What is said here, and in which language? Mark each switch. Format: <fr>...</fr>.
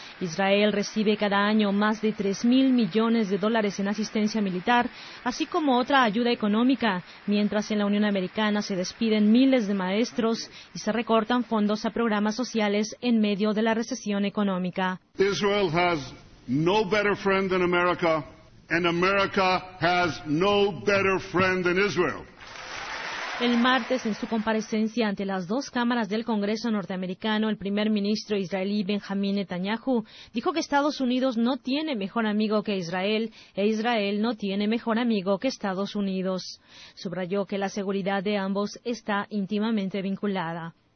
<es>Israel recibe cada año más de 3.000 millones de dólares en asistencia militar, así como otra ayuda económica, mientras en la Unión Americana se despiden miles de maestros y se recortan fondos a programas sociales en medio de la recesión económica.</es> <en>Israel has no better friend than America. And America has no better friend than Israel.</en> <es>El martes, en su comparecencia ante las dos cámaras del Congreso norteamericano, el primer ministro israelí Benjamín Netanyahu dijo que Estados Unidos no tiene mejor amigo que Israel e Israel no tiene mejor amigo que Estados Unidos. Subrayó que la seguridad de ambos está íntimamente vinculada.</es>